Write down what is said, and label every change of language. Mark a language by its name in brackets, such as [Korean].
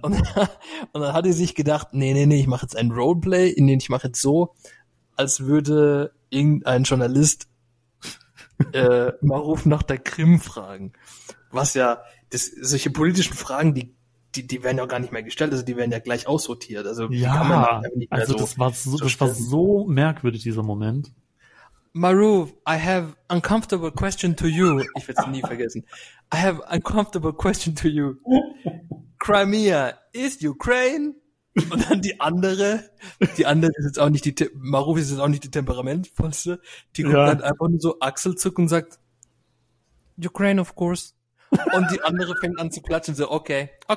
[German] Und dann hat sie sich gedacht, nee, ich mache jetzt ein Roleplay, in dem ich mache jetzt so, als würde irgendein Journalist Maruf nach der Krim fragen. Was ja, solche politischen Fragen, die werden ja gar nicht mehr gestellt, also die werden ja gleich aussortiert. Also ja, also das war so merkwürdig, dieser Moment. [English] Maruf, I have uncomfortable question to you. [German] Ich werde es nie vergessen. [English] I have uncomfortable question to you. Crimea is Ukraine? [German] Und dann die andere ist jetzt auch nicht Maruf ist jetzt auch nicht die temperamentvollste. Die guckt dann einfach nur so Achselzucken und sagt, [English] Ukraine, of course. [German] Und die andere fängt an zu klatschen, so, okay.